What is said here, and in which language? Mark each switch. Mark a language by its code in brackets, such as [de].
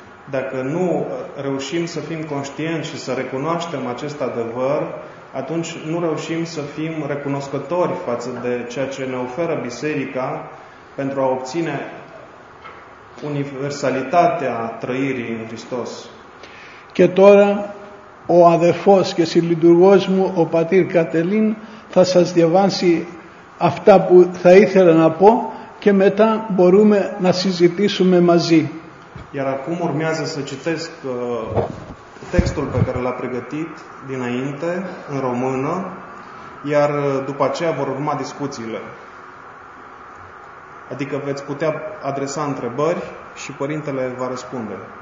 [ro] Dacă nu reușim să fim conștienți și să recunoaștem acest adevăr, atunci nu reușim să fim recunoscători față de ceea ce ne oferă Biserica pentru a obține universalitatea trăirii în Hristos. [el] Και τώρα ο αδερφός και συλλειτουργός μου, ο πατήρ Κατελίν, θα σας διαβάσει αυτά που θα ήθελα να πω και μετά μπορούμε να συζητήσουμε μαζί. [ro] Iar acum urmează să citesc textul pe care l-a pregătit dinainte, în română, iar după aceea vor urma discuțiile. Adică veți putea adresa întrebări și părintele va răspunde.